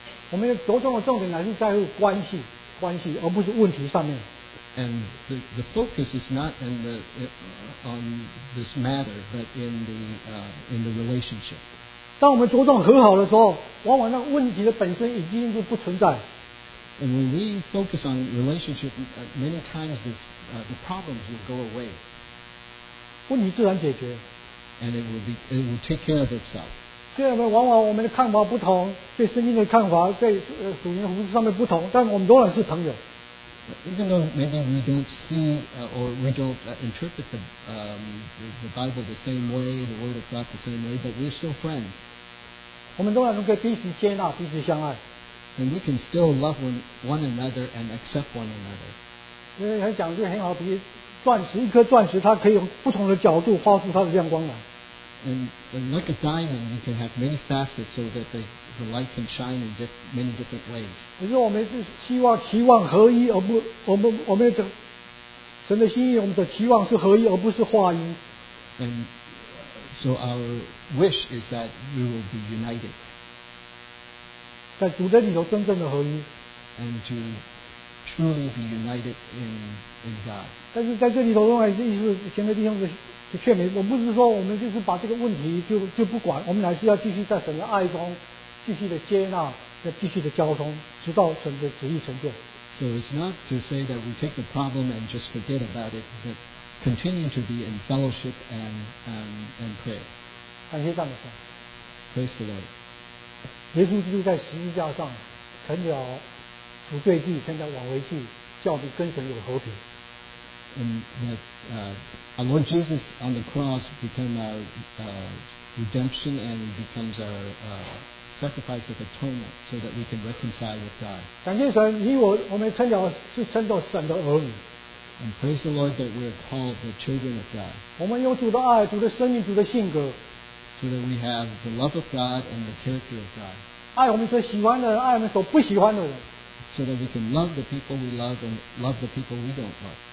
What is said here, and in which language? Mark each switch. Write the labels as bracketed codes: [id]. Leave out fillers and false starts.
[zh] 我们着重的重点乃是在乎关系，而不是问题上面。 [en] And the focus is not in the on this matter, but in the relationship. [zh] 当我们着重和好的时候，往往那问题的本身已经就不存在。 [en] And when we focus on relationship, many times the problems will go away. [zh] 问题自然解决。 [en] And it will take care of itself. [zh] 虽然往往我们的看法不同，对圣经的看法，对属灵服事上面不同，但我们仍然是朋友。 [en] Even though maybe we don't see or we don't interpret the Bible the same way, the Word of God the same way, but we're still friends. [zh] 我们仍然能够彼此接纳，彼此相爱。 [en] And we can still love one another and accept one another. [zh] 因为他讲的很好，比如钻石，一颗钻石，它可以用不同的角度发出它的亮光来。 [en] And like a diamond, you can have many facets so that the light can shine in many different ways. [zh] 可是我们是期望合一，而不我们的神的心意，我们的期望是合一，而不是化一。 [en] And so our wish is that we will be united. [zh] 在主的里头真正的合一。 [en] and to truly be united in God. [zh] 但是在这里头，弟兄们，我不是说我们就是把这个问题就不管，我们还是要继续在神的爱中，继续的接纳，继续的交通，直到神的旨意成就。 [en] So it's not to say that we take the problem and just forget about it, but continue to be in fellowship and pray. [zh] 感谢赞美神。 [en] Praise the Lord. [zh] 耶稣基督在十字架上成了赎罪祭，成了挽回祭，叫你跟神有和平。 [en] And that our Lord Jesus on the cross became our redemption and becomes our sacrifice of atonement so that we can reconcile with God. [zh] 感谢神，你我们称叫是称作神的儿女。 [en] And praise the Lord that we are called the children of God. [zh] 我们有主的爱，主的生命，主的性格。 [en] So that we have the love of God and the character of God. [zh] 爱我们所喜欢的人，爱我们所不喜欢的人。 [en] So that we can love the people we love and love the people we don't love.